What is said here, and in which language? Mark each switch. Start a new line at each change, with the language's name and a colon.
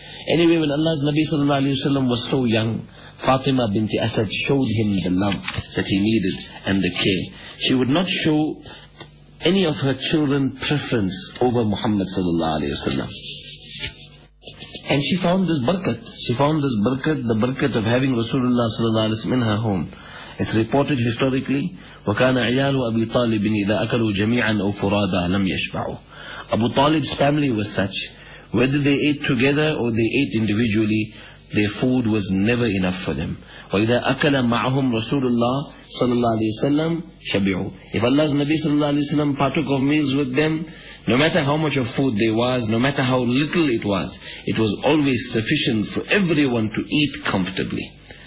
English: Anyway, when Allah's Nabi sallallahu alayhi wa sallam was so young, Fatima binti Asad showed him the love that he needed and the care. She would not show any of her children preference over Muhammad sallallahu alayhi wa sallam. And she found this barakat. She found this barakat, the barakat of having Rasulullah sallallahu alayhi wa sallam in her home. It's reported historically,
Arabic: وَكَانَ عِيَالُ أَبِي طَالِبٍ إِذَا أَكَلُوا جَمِيعًا أَوْ فُرَادًا لَمْ يَشْبَعُوا.
English: Abu Talib's family was such, whether they ate together or they ate individually, their food was never enough for them.
Arabic: وَإِذَا أَكَلَ مَعَهُمْ رَسُولُ اللَّهِ صَلَى اللَّهِ عَلَيْهِ وَسَلَّمْ شَبِعُوا.
English: If Allah's Nabi sallallahu alayhi wa sallam partook of meals with them, no matter how much of food there was, no matter how little it was always sufficient for everyone to eat comfortably.